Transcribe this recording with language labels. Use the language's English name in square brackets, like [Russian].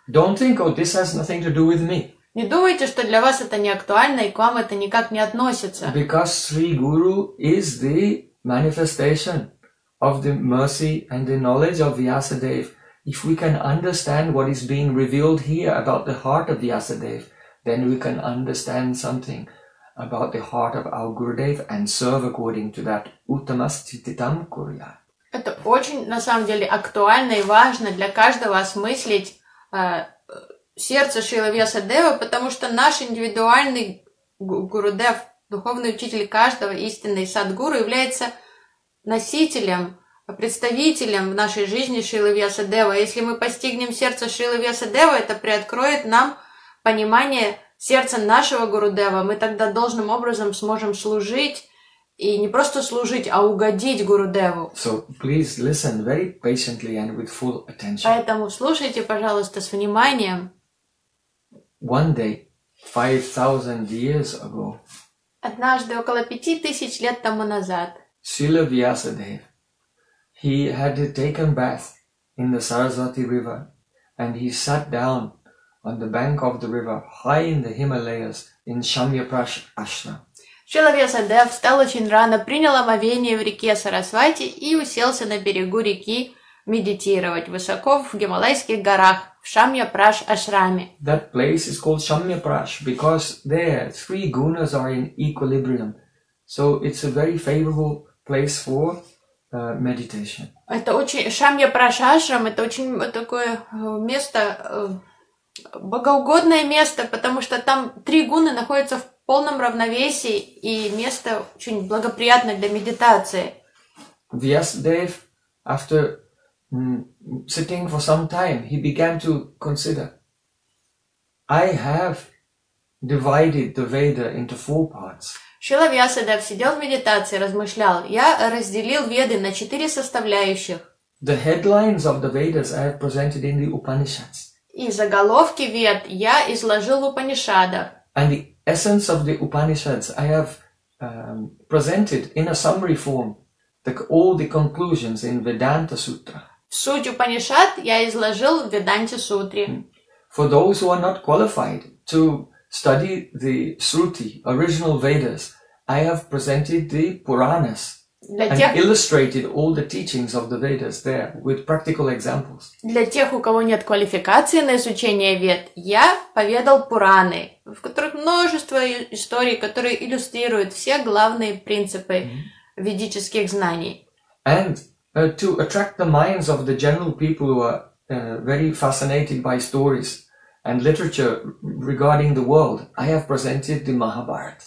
[English] Don't think, oh, this has nothing to do with me. [Russian] Не думайте, что для вас это не актуально, и к вам это никак не относится. [English] Because Sri Guru is the manifestation of the mercy and the knowledge of Vyasadeva. If we can understand what is being revealed here about the heart of Vyasadeva, then we can understand something about the heart of our Gurudev and serve according to that. [Sanskrit] Uttamas Chintitam Kuryat. [Russian] Это очень, на самом деле, актуально и важно для каждого осмыслить сердце Шрилы Вьясадевы, потому что наш индивидуальный Гурудев, духовный учитель каждого истинный садгуру, является носителем, представителем в нашей жизни Шрилы Вьясадевы. Если мы постигнем сердце Шрилы Вьясадевы, это приоткроет нам понимание сердце нашего Гурудева, мы тогда должным образом сможем служить, и не просто служить, а угодить Гурудеву. [English] So, please listen very patiently and with full attention. [Russian] Поэтому слушайте, пожалуйста, с вниманием. [English] One day, 5,000 years ago, [Russian] однажды, около 5,000 лет тому назад, [English] Srila Vyasadeva, he had taken bath in the Sarasvati river, and he sat down on the bank of the river, high in the Himalayas, in Shamyaprash Ashram. [Russian] Шрила Вьясадева встал очень рано, принял омовение в реке Сарасвати и уселся на берегу реки медитировать высоко в Гималайских горах, в Шамьяпраш Ашраме. [English] That place is called Shamyaprash because there three gunas are in equilibrium. So it's a very favorable place for meditation. [Russian] Это очень... Шамьяпраш Ашрам — это очень такое место... богоугодное место, потому что там три гуны находятся в полном равновесии, и место очень благоприятное для медитации. [English] Vyasadeva, after sitting for some time, he began to consider, I have divided the Veda into four parts. [Russian] Шрила Вьясадев сидел в медитации, размышлял. Я разделил Веды на четыре составляющих. [English] The headlines of the Vedas I have presented in the Upanishads. [Russian] И заголовки Вед я изложил в Упанишадах. [English] And the essence of the Upanishads I have presented in a summary form, all the conclusions in Vedanta Sutra. [Russian] Суть Упанишад я изложил в Веданте Сутре. [English] For those who are not qualified to study the Sruti, original Vedas, I have presented the Puranas and illustrated all the teachings of the Vedas there with practical examples. [Russian] Для тех, у кого нет квалификации на изучение Вед, я поведал Пураны, в которых множество историй, которые иллюстрируют все главные принципы ведических знаний. [English] And to attract the minds of the general people who are very fascinated by stories and literature regarding the world, I have presented the Mahabharata.